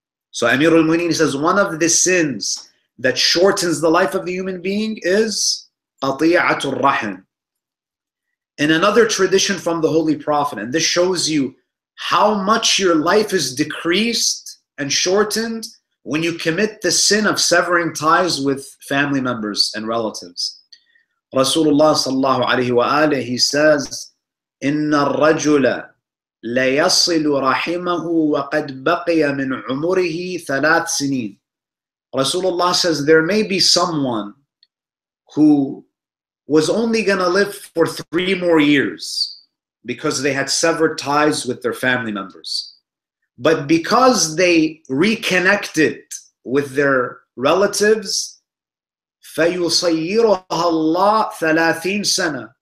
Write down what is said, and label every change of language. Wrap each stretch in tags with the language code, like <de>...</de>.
<en>So Amir al-Mu'mineen says, one of the sins that shortens the life of the human being is qati'atul rahim. In another tradition from the Holy Prophet, and this shows you how much your life is decreased and shortened when you commit the sin of severing ties with family members and relatives.</en> <ar>Rasulullah sallallahu alayhi wa alayhi,</ar> <en>he says,</en> <ar>إِنَّ الرَّجُلَ لَيَصِلُ رَحِمَهُ وَقَدْ بَقِيَ مِنْ عُمُرِهِ ثَلَاثْ سِنِينَ.</ar> <en>Rasulullah says, there may be someone who was only going to live for 3 more years because they had severed ties with their family members. But because they reconnected with their relatives,</en> <ar>فَيُصَيِّرُهَا اللَّهُ ثَلَاثِينَ سَنَةً.</ar>